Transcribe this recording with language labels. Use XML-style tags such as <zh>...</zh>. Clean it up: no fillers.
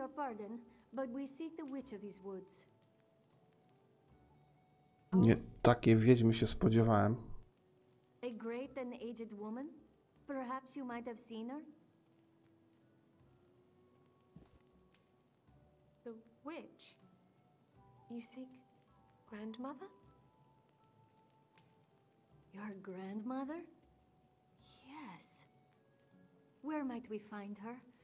<en>Pardon, but we seek the witch of these woods.</en> <pl>Nie takie wiedźmy się spodziewałem.</pl> <en>A great and aged woman? Perhaps you might have seen her? The witch? You seek grandmother? Your grandmother? Yes. Where might we find her?</en>